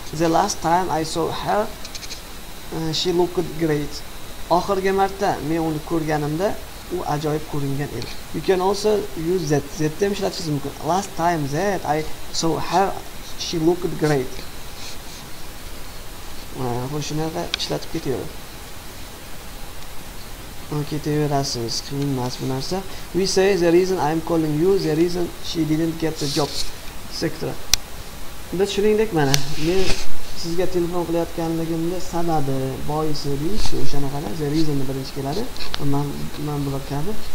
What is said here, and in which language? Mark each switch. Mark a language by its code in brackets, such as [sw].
[en] The last time I saw her she looked great. [uz] Oxirgi marta men uni ko'rganimda u ajoyib ko'ringan edi. [en] You can also use that. That [uz] ham ishlatishingiz mumkin. [en] Last time that I saw her she looked great. [uz] Bu shunaqa ishlatib ketaveradi. Ketaverasiz, qiyin emas bu narsa. [en] We say the reason I'm calling you, the reason she didn't get the job, etc. [uz] Biz shuningdek mana men sizga telefon qilayotganligimni sababi, boisi deyish o'shanaqa, the reason birinchi keladi. Man bular kabi.